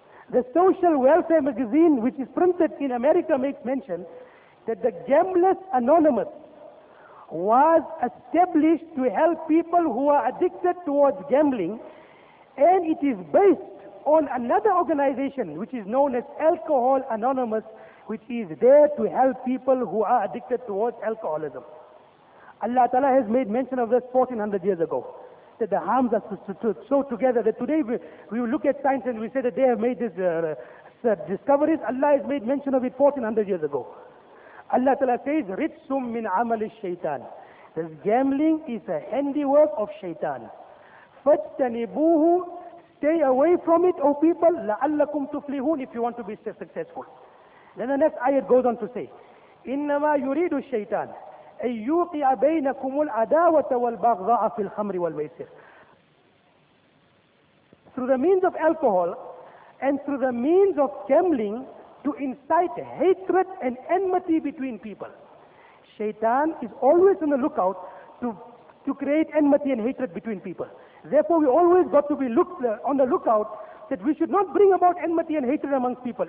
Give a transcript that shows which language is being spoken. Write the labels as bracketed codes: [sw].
[en] The Social Welfare magazine, which is printed in America, makes mention that the Gamblers Anonymous was established to help people who are addicted towards gambling, and it is based on another organization which is known as Alcohol Anonymous, which is there to help people who are addicted towards alcoholism. Allah Ta'ala has made mention of this 1400 years ago, that the harms are so together that today we look at science and we say that they have made these discoveries. Allah has made mention of it 1400 years ago. Allah Ta'ala says, [ar] رِجْسٌ مِّنْ عَمَلِ الشَّيْطَانِ. [en] This gambling is a handiwork of shaitan. [ar] فَاجْتَنِبُوهُ. [en] Stay away from it, O people, [ar] لَعَلَّكُمْ تُفْلِهُونَ, [en] if you want to be successful. Then the next ayat goes on to say, [ar] إِنَّمَا يُرِيدُ الشَّيْطَانِ أَن يُوقِعَ بَيْنَكُمُ الْعَدَاوَةَ وَالْبَغْضَاءَ فِي الْخَمْرِ وَالْمَيْسِرِ. [en] Through the means of alcohol and through the means of gambling, to incite hatred and enmity between people. Shaitan is always on the lookout to create enmity and hatred between people. Therefore, we always got to be on the lookout that we should not bring about enmity and hatred amongst people.